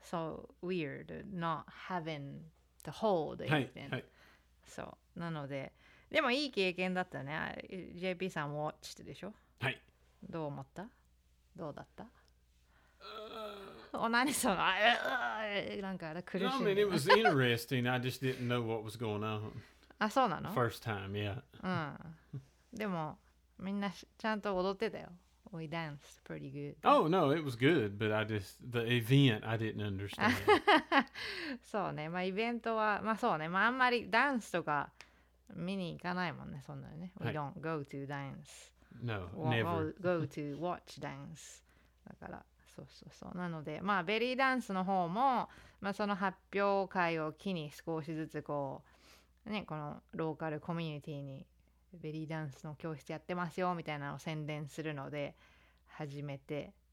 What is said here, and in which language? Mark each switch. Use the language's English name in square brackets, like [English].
[English] So weird not having to hold anything、 [Japanese] はいはい、そう、なので、でもいい経験だったね。 JP さんウォッチってでしょ。はい、どう思った、どうだった、何そのなんか苦しい。 [English] I mean it was interesting. I just didn't know what was going on. [Japanese] あ、そうなの。 [English] First time, yeah. [Japanese] うん、でもみんなちゃんと踊ってたよ。 [English] We danced pretty good. Oh no, it was good. But I just, the event, I didn't understand. [Japanese] そうね、まあイベントは、まあそうね、まああんまりダンスとか見に行かないもんね、そんなね。 [English] We don't go to dance. No, never. Go to watch dance. [Japanese] だから、そうそうそう。なので、まあベリーダンスの方も、まあその発表会を機に少しずつこう、ね、このローカルコミュニティにベリーダンスの教室やってますよみたいなのを宣伝するので、始めて。